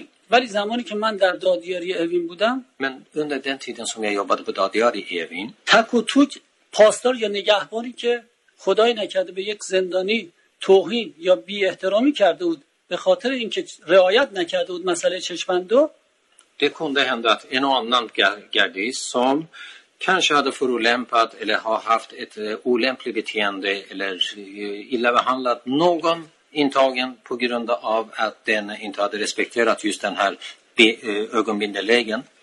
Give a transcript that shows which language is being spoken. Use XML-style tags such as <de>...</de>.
<fa>ولی زمانی که من در دادیاری اوین بودم من</fa> <sv>under den tiden som jag jobbade på dadiari i Evin</sv> <fa>تک و توک پاسدار یا نگهبانی که خدای نکرده به یک زندانی توهین یا بی احترامی کرده بود به خاطر اینکه رعایت نکرده بود مسئله چشمندو</fa> <sv>det kunde hända att en och annan gardist som kanske hade förolämpat eller har haft ett olämpligt beteende eller illa behandlat någon intagen på grund av att den inte hade respekterat just den här ögonbindelägen.</sv>